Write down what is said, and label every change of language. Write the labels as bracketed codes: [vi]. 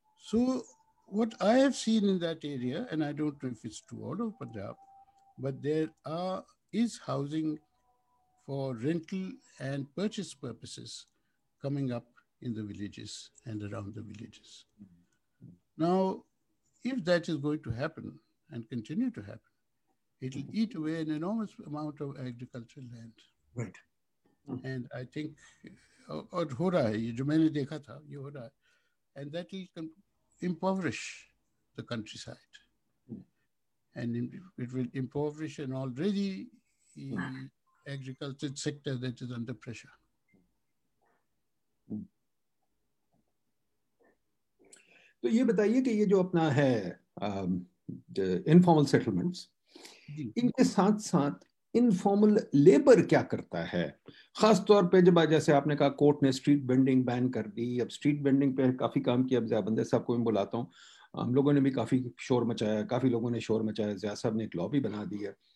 [en] So what I have seen in that area, and I don't know if it's to all over Punjab, but there is housing for rental and purchase purposes coming up in the villages and around the villages. Now, if that is going to happen and continue to happen, it will eat away an enormous amount of agricultural land. Right. And I think, [hi] aur ho raha hai, jo maine dekha tha, ye ho raha hai. [en] And that will impoverish the countryside. And it will impoverish an already agriculture sector that is under pressure. [hi] तो ये बताइए कि ये जो अपना है informal settlements, इनके साथ साथ informal labor क्या करता है? खास तौर पे जब जैसे आपने कहा कोर्ट ने स्ट्रीट बेंडिंग बैन कर दी, अब स्ट्रीट बेंडिंग पे काफी काम किया. अब ज़िया बंदे साहब को मैं बुलाता हूँ, हम लोगों ने भी काफी शोर मचाया, काफी लोगों ने शोर मचाया, ज़िया साहब ने एक लॉ भी बना दिया.